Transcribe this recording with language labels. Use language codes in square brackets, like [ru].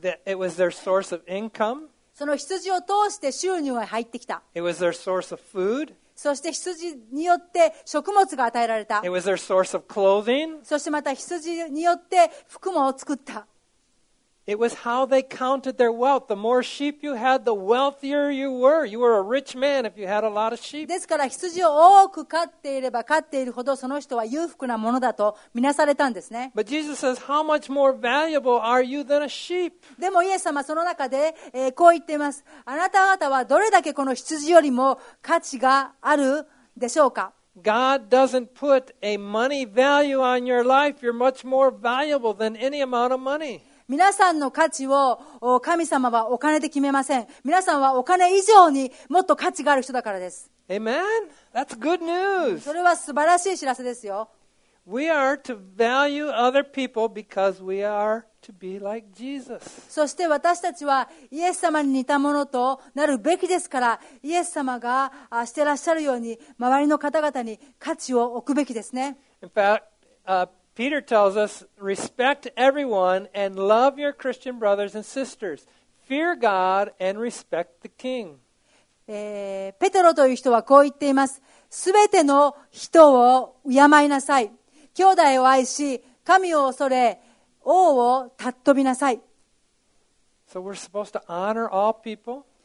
[en] It was their source of income. [ja] その羊を通して収入が入ってきた。 [en] It was their source of food. [ja] そして羊によって食物が与えられた。 [en] It was their source of clothing. [ja] そしてまた羊によって服も作った。 [en] It was how they counted their wealth. The more sheep you had, the wealthier you were. You were a rich man if you had a lot of sheep. [ja] ですから羊を多く飼っていれば飼っているほどその人は裕福なものだと見なされたんですね。 [en] But Jesus says, how much more valuable are you than a sheep? [ja] でもイエス様その中で、こう言っています。あなた方はどれだけこの羊よりも価値があるでしょうか。 [en] God doesn't put a money value on your life. You're much more valuable than any amount of money. [ja] 皆さんの価値を神様はお金で決めません。皆さんはお金以上にもっと価値がある人だからです。 [en] Amen. That's good news. [ja] それは素晴らしい知らせですよ。 [en] We are to value other people because we are to be like Jesus. [ja] そして私たちはイエス様に似たものとなるべきですから、イエス様がしてらっしゃるように周りの方々に価値を置くべきですね。 [en] In fact, Peter tells us, respect everyone and love your Christian brothers and sisters. Fear God and respect the king. [ja] ペテロという人はこう言っています。すべての人を敬いなさい。兄弟を愛し、神を恐れ、王を尊びなさい。 [en] So we're supposed to honor all people.